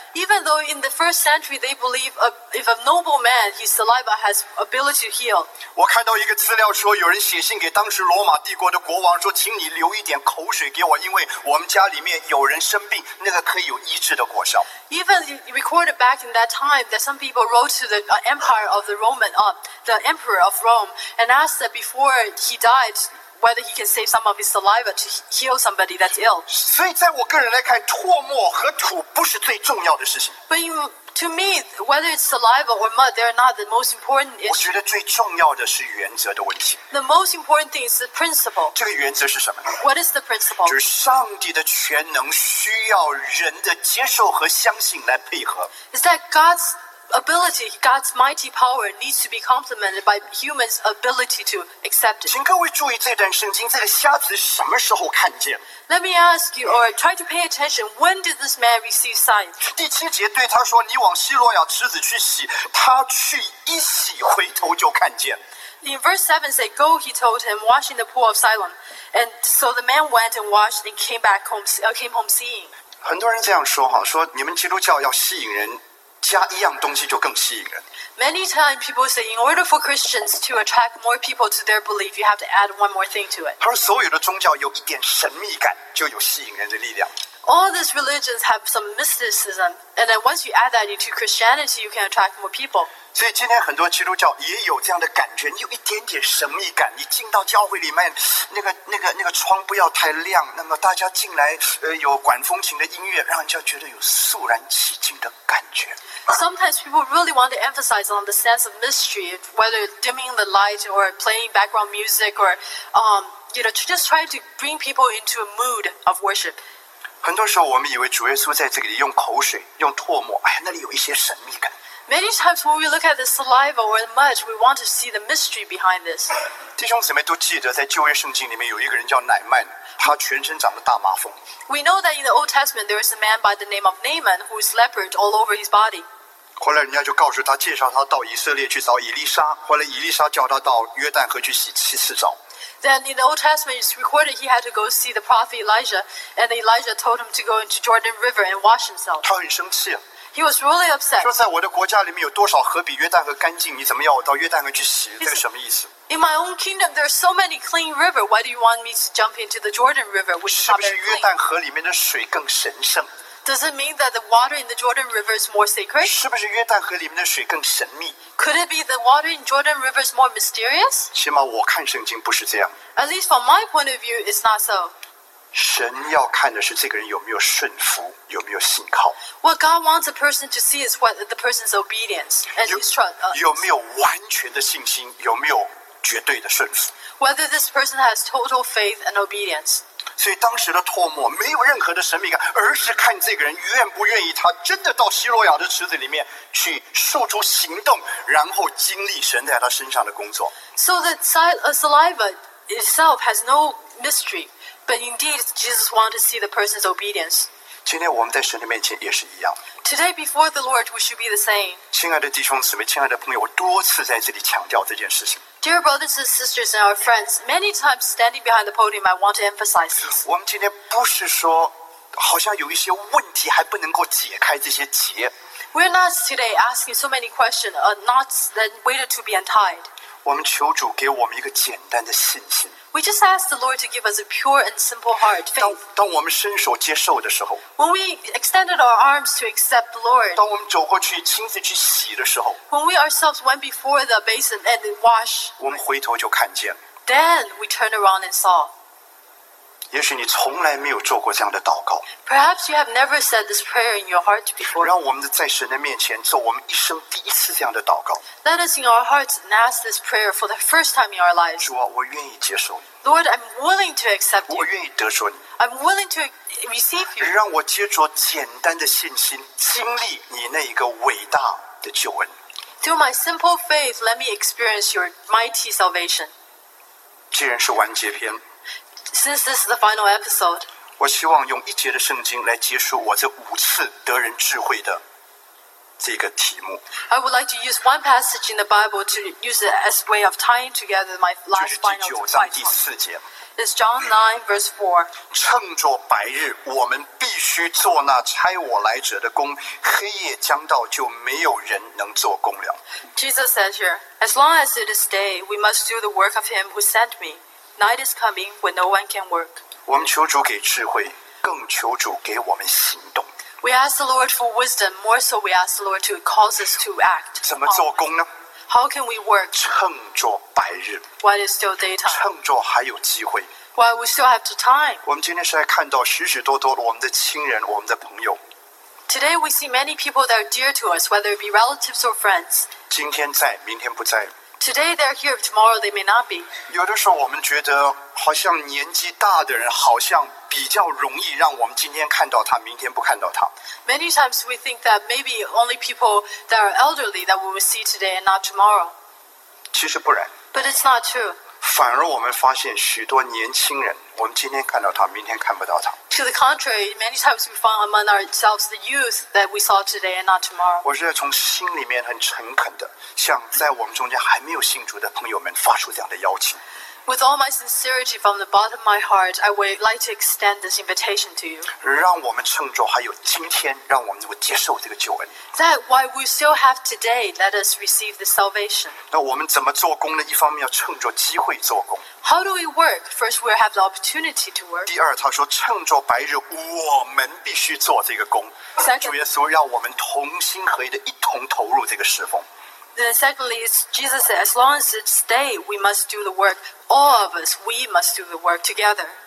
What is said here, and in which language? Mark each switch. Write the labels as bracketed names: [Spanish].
[English] Even though in the first century they believe if a noble man, his saliva has ability to heal. [Chinese] 我看到一个资料说，有人写信给当时罗马帝国的国王说，请你留一点口水给我，因为我们家里面有人生病，那个可以有医治的果效。 [English] Even recorded back in that time that some people wrote to the empire of the Roman, the emperor of Rome, and asked that before he died. Whether he can save some of his saliva to heal somebody that's ill. [Chinese] 所以在我个人来看，唾沫和土不是最重要的事情。 [English] But to me, whether it's saliva or mud, they're not the most important issue. [Chinese] 我觉得最重要的是原则的问题。 [English] The most important thing is the principle. [Chinese] 这个原则是什么呢 [English] ？What is the principle? [Chinese] 就是上帝的全能需要人的接受和相信来配合。 [English] Is that God's ability, God's mighty power needs to be complemented by humans' ability to accept it. [Chinese] 请各位注意这段圣经，这个瞎子什么时候看见 [English] ？Let me ask you, or try to pay attention. When did this man receive sight? [Chinese] 第七节对他说：“你往希罗亚池子去洗。” 他去一洗，回头就看见。 [English] In verse 7, say, "Go," he told him, "washing the pool of Siloam." And so the man went and washed and came home seeing. [Chinese] 很多人这样说哈，说你们基督教要吸引人。加一样东西就更吸引人。 [English] Many times people say, in order for Christians to attract more people to their belief, you have to add one more thing to it. [Chinese] 他说，所有的宗教有一点神秘感，就有吸引人的力量。 [English] All these religions have some mysticism, and then once you add that into Christianity, you can attract more people. [Chinese] 所以今天很多基督教也有这样的感觉，你有一点点神秘感。你进到教会里面，那个窗不要太亮，那么大家进来，有管风琴的音乐，让人家觉得有肃然起敬的感觉。 [English] Sometimes people really want to emphasize on the sense of mystery, whether dimming the light or playing background music, or just trying to bring people into a mood of worship. [Chinese] 很多时候我们以为主耶稣在这里用口水、用唾沫，哎呀，那里有一些神秘感。 [English] Many times when we look at the saliva or the mud, we want to see the mystery behind this. [Chinese] 弟兄姊妹都记得，在旧约圣经里面有一个人叫乃曼，他全身长着大麻风。 [English] We know that in the Old Testament there is a man by the name of Naaman who is leprous all over his body. [Chinese] 后来人家就告诉他，介绍他到以色列去找以利沙，后来以利沙叫他到约旦河去洗七次澡。 [English] Then in the Old Testament, it's recorded he had to go see the prophet Elijah, and Elijah told him to go into Jordan River and wash himself. [Chinese] 他很生气。 [English] He was really upset. [Chinese] 说在我的国家里面有多少河比约旦河干净？你怎么要我到约旦河去洗？这是什么意思 [English] ？In my own kingdom, there are so many clean rivers. Why do you want me to jump into the Jordan River, which is not very clean? [Chinese] 是不是约旦河里面的水更神圣 [English] Does it mean that the water in the Jordan River is more sacred? [Chinese] 是不是约旦河里面的水更神秘？ [English] Could it be the water in Jordan River is more mysterious? [Chinese] 起码我看圣经不是这样。 [English] At least from my point of view, it's not so. [Chinese] 神要看的是这个人有没有顺服，有没有信靠。 [English] What God wants a person to see is what the person's obedience and his trust. [Chinese] 有没有完全的信心，有没有绝对的顺服。 [English] Whether this person has total faith and obedience. [Chinese] 所以当时的唾沫没有任何的神秘感，而是看这个人愿不愿意他真的到希罗亚的池子里面去付出行动，然后经历神在他身上的工作。 [English] So the saliva itself has no mystery, but indeed Jesus wanted to see the person's obedience. [Chinese] 今天我们在神的面前也是一样。 [English] Today before the Lord, we should be the same. [Chinese] 亲爱的弟兄姊妹，亲爱的朋友，我多次在这里强调这件事情。 [English] Dear brothers and sisters and our friends, many times standing behind the podium, I want to emphasize this. [Chinese] 我们今天不是说好像有一些问题还不能够解开这些结。 [English] We're not today asking so many questions, not that waited to be untied. [Chinese] 我们求主给我们一个简单的信心。 [English] We just ask the Lord to give us a pure and simple heart, faith. [Chinese] 当我们伸手接受的时候 [English] When we extended our arms to accept the Lord. [Chinese] 当我们走过去亲自去洗的时候 [English] When we ourselves went before the basin and washed. [Chinese] 我们回头就看见 [English] Then we turned around and saw. [Chinese] 也许你从来没有做过这样的祷告 [English] Perhaps you have never said this prayer in your heart before. [Chinese] 让我们在神的面前做我们一生第一次这样的祷告 [English] Let us in our hearts and ask this prayer for the first time in our lives. [Chinese] 主啊，我愿意接受你 [English] Lord, I'm willing to accept you. [Chinese] 我愿意得着你 [English] I'm willing to receive you. [Chinese] 让我接着简单的信心经历你那一个伟大的救恩 [English] Through my simple faith, let me experience your mighty salvation. [Chinese] 既然是完结篇 [English] Since this is the final episode, [Chinese] 我希望用一节的圣经来结束我这五次得人智慧的这个题目 [English] I would like to use one passage in the Bible to use it as a way of tying together my last final point. [Chinese] 就是第九章第四节 [English] It's John 9 verse 4. [Chinese] 趁着白日，我们必须做那差我来者的工。黑夜将到，就没有人能做工了。 [English] Jesus says here, as long as it is day, we must do the work of him who sent me. Night is coming when no one can work. [Chinese] 我们求主给智慧，更求主给我们行动。 [English] We ask the Lord for wisdom, more so we ask the Lord to cause us to act. [Chinese] 怎么做工呢 [English] How can we work? [Chinese] 趁着白日 [English] While it's still daytime. [Chinese] 趁着还有机会 [English] While we still have the time. [Chinese] 我们今天是来看到许许多多的我们的亲人，我们的朋友。 [English] Today we see many people that are dear to us, whether it be relatives or friends. [Chinese] 今天在，明天不在。 [English] Today they're here, tomorrow they may not be. [Chinese] 有的时候我们觉得好像年纪大的人好像比较容易让我们今天看到他，明天不看到他。 [English] Many times we think that maybe only people that are elderly that we will see today and not tomorrow. [Chinese] 其实不然。 [English] But it's not true. [Chinese] 反而我们发现许多年轻人，我们今天看到他，明天看不到他。 [English] To the contrary, many times we find among ourselves the youth that we saw today and not tomorrow. [Chinese] 我是从心里面很诚恳的，向在我们中间还没有信主的朋友们发出这样的邀请。 [English] With all my sincerity from the bottom of my heart, I would like to extend this invitation to you. [Chinese] 让我们趁着还有今天，让我们能够接受这个救恩。 [English] That why we still have today, let us receive the salvation. [Chinese] 那我们怎么做工呢？一方面要趁着机会做工。 [English] How do we work? First, we have the opportunity to work. [Chinese] 第二，他说趁着白日，我们必须做这个工。 [English] Second, [Chinese] 主耶稣让我们同心合意的一同投入这个侍奉。 [English] Then secondly, Jesus said, as long as it's day, we must do the work. All of us, we must do the work together.